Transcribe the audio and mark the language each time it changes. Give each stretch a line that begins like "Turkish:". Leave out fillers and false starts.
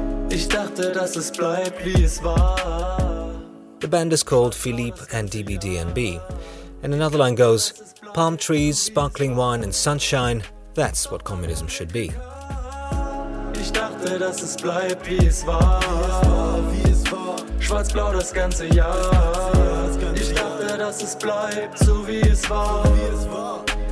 German: Ich dachte, dass es bleibt, wie es war.
English: The band is called Philippe and DBDNB. And another line goes, palm trees, sparkling wine and sunshine, that's what communism should be.
German: Ich dachte, dass es bleibt, wie es war. Schwarz-blau das ganze Jahr. Ich dachte, dass es bleibt, so wie es war.